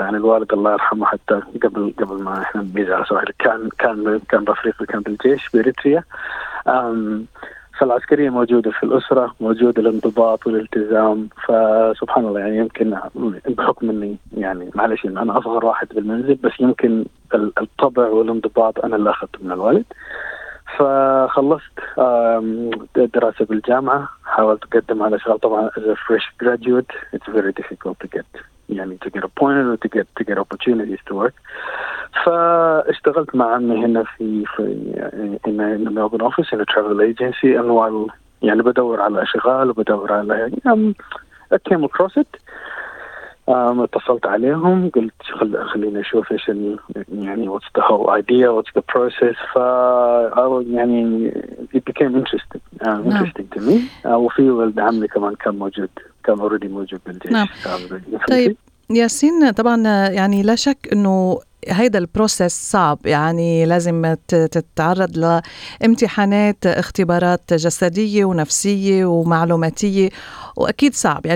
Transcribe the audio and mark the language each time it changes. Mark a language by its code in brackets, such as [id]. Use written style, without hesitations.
[ar] يعني الوالد الله يرحمه حتى قبل ما احنا نجي على سواحل كان رفيق وكان بالجيش بإريتريا. فالعسكريه موجوده في الاسره, موجوده الانضباط والالتزام. فسبحان الله يعني يمكن بحكم اني يعني معلش ان انا اصغر واحد بالمنزل, بس يمكن الطبع والانضباط انا اللي اخذته من الوالد. فخلصت دراسة بالجامعة, حاولت أقدم على شغل طبعا [en] as a fresh graduate, it's very difficult to get, [ar] يعني [en] to get appointed or to get opportunities to work. [ar] فاشتغلت مع عمي هنا في [en] in the Melbourne office in a travel agency, and while [ar] يعني بدور على أشغال وبدور على [en] I came across it. [ar] اتصلت عليهم قلت خليني أشوف إيش يعني [en] what's the whole idea, what's the process. [ar] فا يعني [en] it became interesting to me. [ar] وفي ولد عمي كمان كان موجود, كان already موجود بالجيش. طيب ياسين, طبعا يعني لا شك إنه هيدا البروسيس صعب, يعني لازم تتعرض لامتحانات, اختبارات جسدية ونفسية ومعلوماتية, وأكيد صعب.